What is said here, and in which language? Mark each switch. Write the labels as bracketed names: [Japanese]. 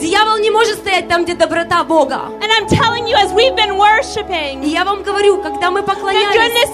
[Russian] Дьявол не может стоять там, где доброта Бога. [English] And I'm telling you, as we've been worshiping, [Russian] я вам говорю, когда мы поклонялись,